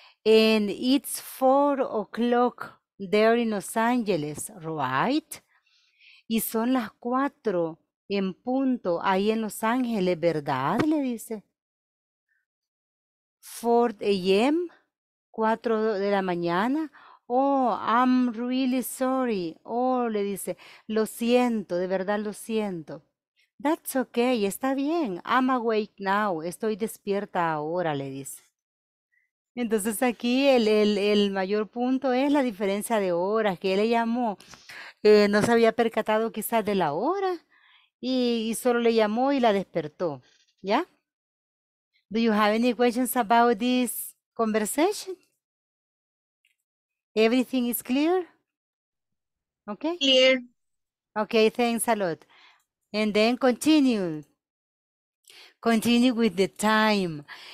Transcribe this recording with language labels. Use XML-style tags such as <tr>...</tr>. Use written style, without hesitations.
<en>And it's 4 o'clock there in Los Angeles, right?</en> <es>Y son las 4 en punto ahí en Los Ángeles, ¿verdad? Le dice. 4 a.m., 4 de la mañana.</es> <en>Oh, I'm really sorry.</en> <es>Oh, le dice, lo siento, de verdad lo siento.</es> <en>That's okay,</en> <es>está bien.</es> <en>I'm awake now,</en> <es>estoy despierta ahora, le dice. Entonces aquí el mayor punto es la diferencia de horas, que él le llamó, no se había percatado quizás de la hora y solo le llamó y la despertó, ¿ya?</es> <en>Do you have any questions about this conversation? Everything is clear? Okay? Clear. Okay, thanks a lot. And then continue. Continue with the time.</en>